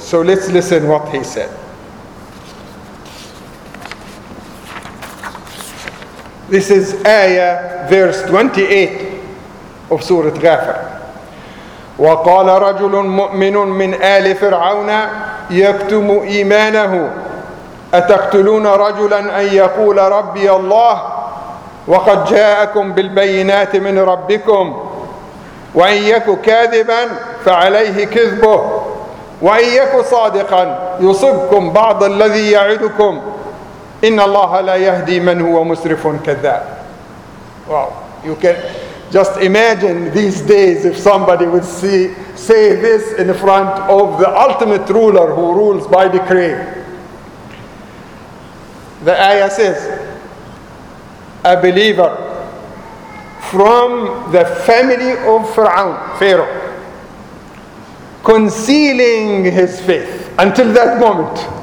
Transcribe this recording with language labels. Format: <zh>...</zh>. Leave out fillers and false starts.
<en>So let's listen what he said. This is ayah, verse 28 of Surah Ghafir.</en> <ar>وقال رجل مؤمن من آل فرعون يكتم إيمانه. أتقتلون رجلا أن يقول ربي الله وقد جاءكم بالبينات من ربكم، وإن يك كاذبا فعليه كذبه، وإن يك صادقا يصبكم بعض الذي يعدكم، إن الله لا يهدي من هو مسرف كذاب.</ar> <en>Wow, you can just imagine these days if somebody would say this in front of the ultimate ruler who rules by decree. The ayah says, a believer from the family of Pharaoh, concealing his faith until that moment.</en>